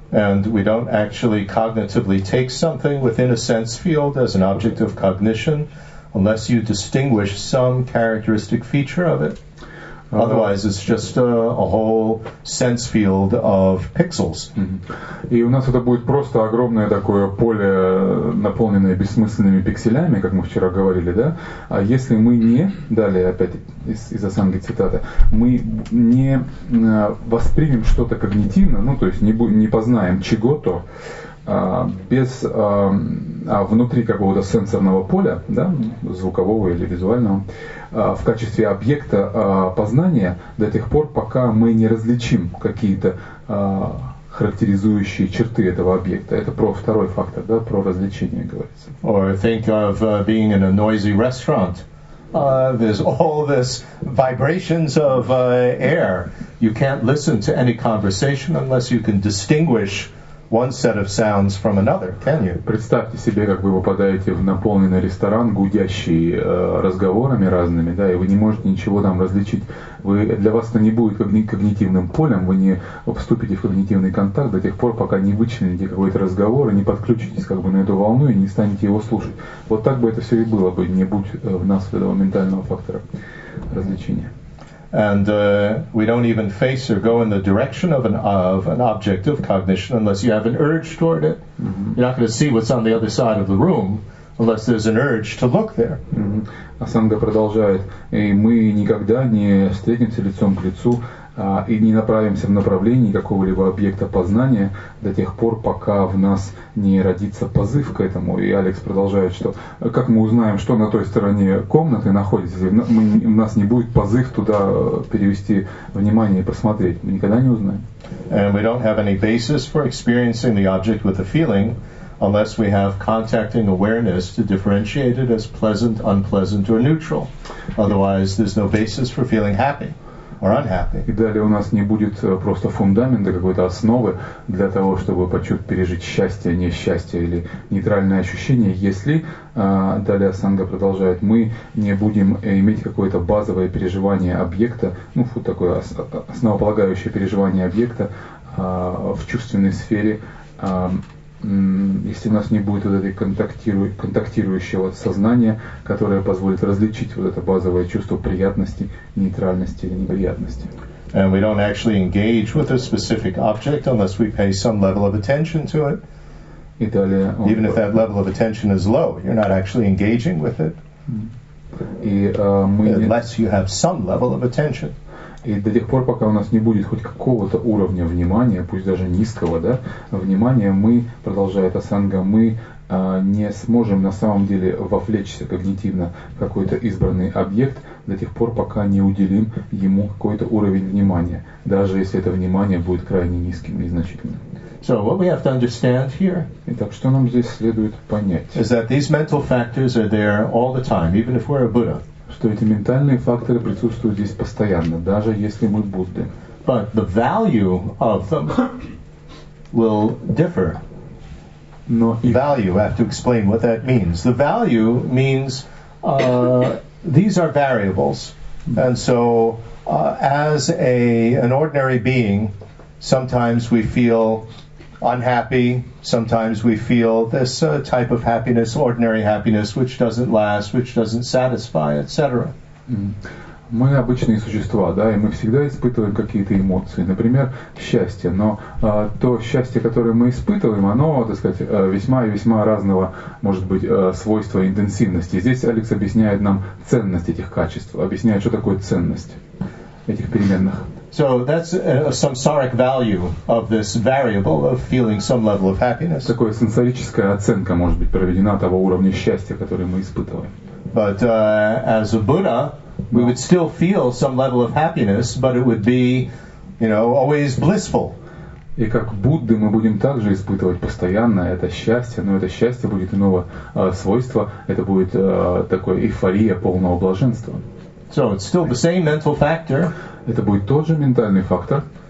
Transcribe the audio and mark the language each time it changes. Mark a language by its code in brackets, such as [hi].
[en] And we don't actually cognitively take something within a sense field as an object of cognition unless you distinguish some characteristic feature of it. Otherwise, it's just a whole sense field of pixels. [ru] И у нас это будет просто огромное такое поле, наполненное бессмысленными пикселями, как мы вчера говорили, да? А если мы не, далее опять из Асанги цитата, мы не воспримем что-то когнитивно, ну, то есть не познаем чего-то, без внутри какого-то сенсорного поля, да, звукового или визуального, в качестве объекта познания до тех пор, пока мы не различим какие-то характеризующие черты этого объекта. Это про второй фактор, да, про различение говорится. [en] Or think of being in a noisy restaurant. There's all this vibrations of air. You can't listen to any conversation unless you can distinguish one set of sounds from another, can you? [ru] Представьте себе, как вы попадаете в наполненный ресторан, гудящий разговорами разными, да, и вы не можете ничего там различить. Для вас это не будет когнитивным полем, вы не вступите в когнитивный контакт до тех пор, пока не вычлените какой-то разговор и не подключитесь как бы на эту волну и не станете его слушать. Вот так бы это все и было бы, не будь в нас этого ментального фактора различения. [en] And we don't even face or go in the direction of an object of cognition unless you have an urge toward it. Mm-hmm. You're not going to see what's on the other side of the room unless there's an urge to look there. Mm-hmm. [ru] Асанга продолжает, и мы никогда не встретимся лицом к лицу и не направимся в направлении какого-либо объекта познания до тех пор, пока в нас не родится позыв к этому. И Алекс продолжает, что как мы узнаем, что на той стороне комнаты находится, у нас не будет позыв туда перевести внимание и посмотреть. Мы никогда не узнаем. [en] And we don't have any basis for experiencing the object with a feeling unless we have contacting awareness to differentiate it as pleasant, unpleasant or neutral. Otherwise, there's no basis for feeling happy. Or unhappy. [ru] И далее у нас не будет просто фундамента, какой-то основы для того, чтобы пережить счастье, несчастье или нейтральное ощущение, если, далее Асанга продолжает, мы не будем иметь какое-то базовое переживание объекта, ну, вот такое основополагающее переживание объекта в чувственной сфере, если у нас не будет вот этой контактирующего сознания, которое позволит различить вот это базовое чувство приятности, нейтральности или неприятности. [en] And we don't actually engage with a specific object unless we pay some level of attention to it. Even if that level of attention is low, you're not actually engaging with it. Unless you have some level of attention. [ru] И до тех пор, пока у нас не будет хоть какого-то уровня внимания, пусть даже низкого, да, внимания, мы, продолжает асанга, мы не сможем на самом деле вовлечься когнитивно в какой-то избранный объект до тех пор, пока не уделим ему какой-то уровень внимания, даже если это внимание будет крайне низким и незначительным. [en] So what we have to understand here, [ru] итак, что нам здесь следует понять? [en] Is that these mental factors are there all the time, even if we're a Buddha. [ru] Что эти ментальные факторы присутствуют здесь постоянно, даже если мы Будды. [en] But the value of them will differ. [ru] Но [en] value, I have to explain what that means. The value means these are variables. And so as an ordinary being, sometimes we feel unhappy, sometimes we feel this type of happiness, ordinary happiness, which doesn't last, which doesn't satisfy, etc. [ru] Мы обычные существа, да, и мы всегда испытываем какие-то эмоции, например, счастье, но то счастье, которое мы испытываем, оно, так сказать, весьма и весьма разного, может быть, свойства интенсивности. Здесь Алекс объясняет нам ценность этих качеств, объясняет, что такое ценность этих переменных. [en] So that's a samsaric value of this variable of feeling some level of happiness. [ru] Такая сенсорическая оценка может быть проведена того уровня счастья, который мы испытываем. [en] But as a Buddha, we would still feel some level of happiness, but it would be, you know, always blissful. [ru] И как Будды мы будем также испытывать постоянно это счастье, но это счастье будет иного свойства, это будет такой эйфория полного блаженства. [en] So it's still the same mental factor. [ru] Это будет тот же ментальный фактор.